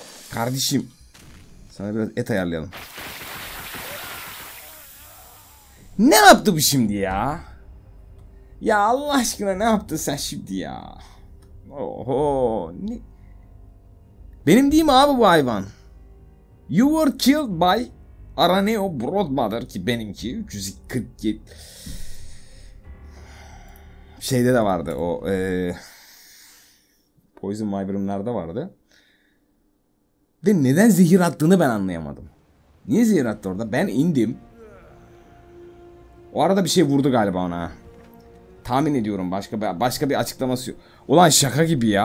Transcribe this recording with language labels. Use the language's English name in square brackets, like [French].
[Turkish] Kardeşim, sana biraz et ayarlayalım. Ne yaptı bu şimdi ya? Ya Allah aşkına ne yaptın sen şimdi ya? Oho, ne? Benim değil mi abi bu hayvan? [English] You were killed by Araneo Brotmother, [Turkish] ki benimki 347. Şeyde de vardı o Poison Wyvern'larda vardı. De neden zehir attığını ben anlayamadım. Niye zehir attı orada? Ben indim. O arada bir şey vurdu galiba ona. Tahmin ediyorum, başka bir açıklaması yok. Ulan şaka gibi ya.